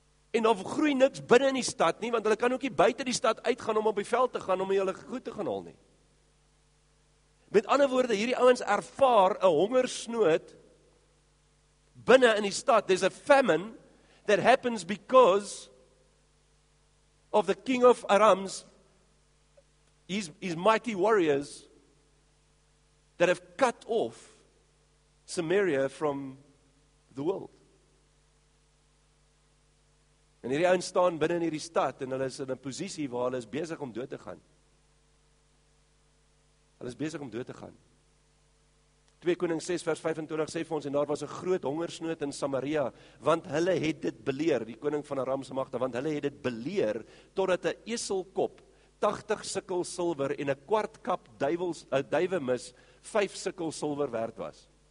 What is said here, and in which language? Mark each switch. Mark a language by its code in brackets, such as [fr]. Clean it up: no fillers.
[af] En dan groei niks binne in die stad nie, want hulle kan ook nie buite die stad uitgaan om op die veld te gaan om hulle goed te gaan haal nie. Met ander woorde, hierdie ouens ervaar 'n hongersnood binne in die stad. [en] There's a famine that happens because of the king of Aram's his mighty warriors that have cut off Samaria from the world. [af] En hierdie ouens staan binne in hierdie stad en hulle is in 'n posisie waar hulle is besig om dood te gaan. Hulle is besig om dood te gaan. 2 Koning 6 vers 25 sê vir ons, en daar was 'n groot hongersnood in Samaria, want hulle het dit beleer, die koning van Aram se magte, want hulle het dit beleer, totdat 'n eselkop 80 sikkel silwer en 'n kwart kap duiwemis 5 sikkel silwer werd was.